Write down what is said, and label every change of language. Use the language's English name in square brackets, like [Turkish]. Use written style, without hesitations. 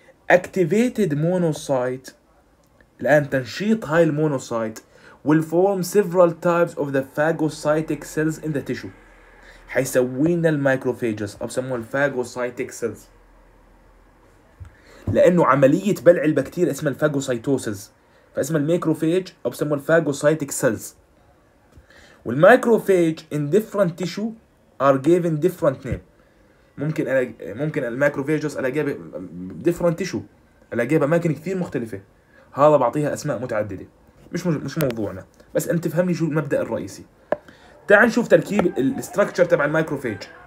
[Arabic] اكتيفيتد مونوسايت، الان تنشيط هاي المونوسايت [English] will form several types of the phagocytic cells in the tissue، [Arabic] حيسوينا المايكروفاجس أو بسموها الفاغوسايتيك سيلز، لأنه عملية بلع البكتيريا اسمها الفاغوسايتوسيز، فاسمها الميكروفاج أو بسموها الفاغوسايتيك سيلز. [English] والمايكروفاج in different tissue are given different name، [Arabic] ممكن المايكروفاجس ألاقيها [English] different tissue، [Arabic] الاقيها باماكن كثير مختلفه. هذا بعطيها اسماء متعدده، مش موضوعنا، بس انت فهمني شو المبدا الرئيسي. تعال نشوف تركيب الاستراكشر تبع المايكروفيج.